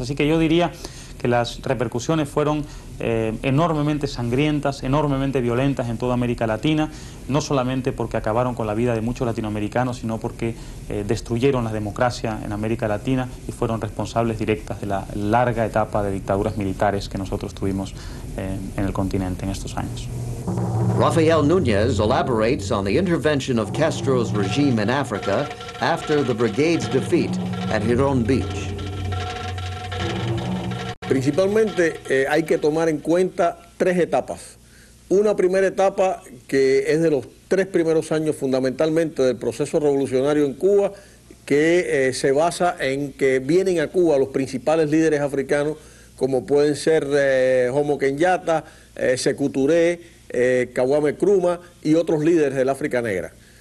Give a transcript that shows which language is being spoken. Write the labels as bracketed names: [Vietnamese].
[Spanish] Así que yo diría que las repercusiones fueron enormemente sangrientas, enormemente violentas en toda América Latina, no solamente porque acabaron con la vida de muchos latinoamericanos, sino porque destruyeron la democracia en América Latina y fueron responsables directas de la larga etapa de dictaduras militares que nosotros tuvimos en el continente en estos años. [English] Rafael Núñez elaborates on the intervention of Castro's regime in Africa after the brigade's defeat at Jirón Beach. [Spanish] Principalmente hay que tomar en cuenta tres etapas. Una primera etapa que es de los tres primeros años fundamentalmente del proceso revolucionario en Cuba, que se basa en que vienen a Cuba los principales líderes africanos, como pueden ser Jomo Kenyatta, Sekou Touré, Kwame Nkrumah y otros líderes del África Negra.